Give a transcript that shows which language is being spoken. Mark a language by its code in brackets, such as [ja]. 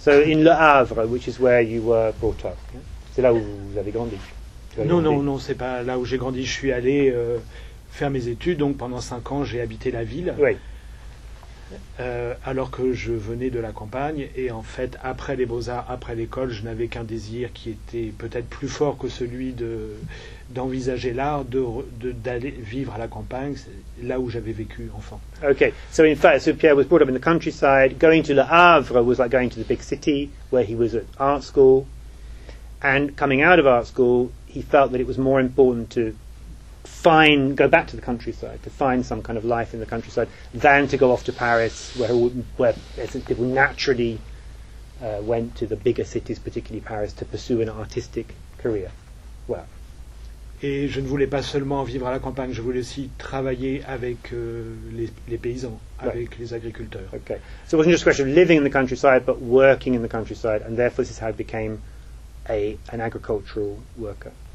[en] So in Le Havre, which is where you were brought up. [fr] C'est là où vous avez grandi. Non, c'est pas là où j'ai grandi. Je suis allé faire mes études, donc pendant 5 ans, j'ai habité la ville. Oui. alors que je venais de la campagne. Et en fait, après les beaux-arts, après l'école, je n'avais qu'un désir qui était peut-être plus fort que celui d'envisager l'art, d'aller vivre à la campagne, là où j'avais vécu enfant. [en] Okay, so in fact, so Pierre was brought up in the countryside. Going to Le Havre was like going to the big city where he was at art school. And coming out of art school, he felt that it was more important to find, go back to the countryside, to find some kind of life in the countryside, than to go off to Paris, where people naturally went to the bigger cities, particularly Paris, to pursue an artistic career. Well. [fr] Et je ne voulais pas seulement vivre à la campagne, je voulais aussi travailler avec les paysans, avec [en] right. [fr] les agriculteurs. [en] Okay. So it wasn't just a question of living in the countryside, but working in the countryside, and therefore this is how it became an agricultural worker.